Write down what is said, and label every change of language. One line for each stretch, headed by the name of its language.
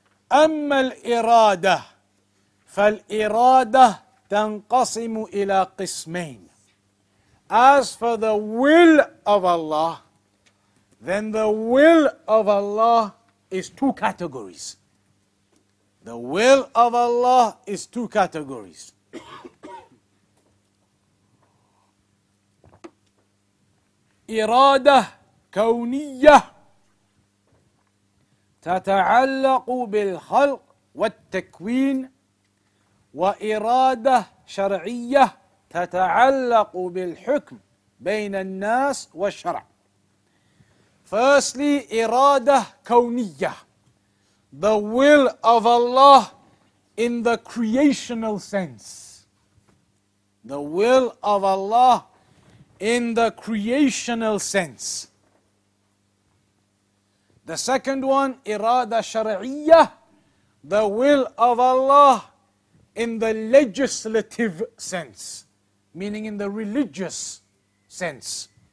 Arabic: Amma al-irada, fal-irada tanqasimu ila qismain.
English: As for the will of Allah, then the will of Allah is two categories. The will of Allah is two categories.
Arabic: إرادة كونية تتعلق بالخلق والتكوين وإرادة شرعية تتعلق بالحكم بين الناس والشرع.
English: Firstly, إرادة كونية. The will of Allah in the creational sense. The will of Allah in the creational sense. The second one, irada shar'iyya, the will of Allah in the legislative sense, meaning in the religious sense.